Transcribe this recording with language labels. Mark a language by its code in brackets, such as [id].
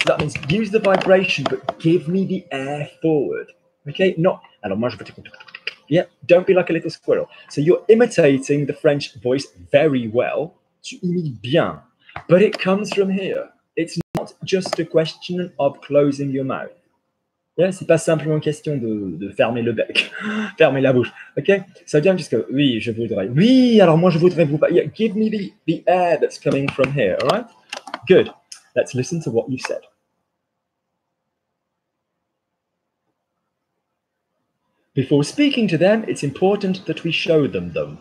[en] That means use the vibration, but give me the air forward. Okay? Not... [fr] Alors, moi, je vais te... [en] Yeah, don't be like a little squirrel. So, you're imitating the French voice very well. [fr] Tu imites bien, [en] but it comes from here. It's not just a question of closing your mouth. [fr] Yeah, c'est pas simplement une question de fermer le bec, fermer la bouche. Okay, ça vient jusque oui, je voudrais. Oui, alors moi je voudrais vous. [en] Yeah, give me the air that's coming from here. All right, good. Let's listen to what you said. Before speaking to them, it's important that we show them.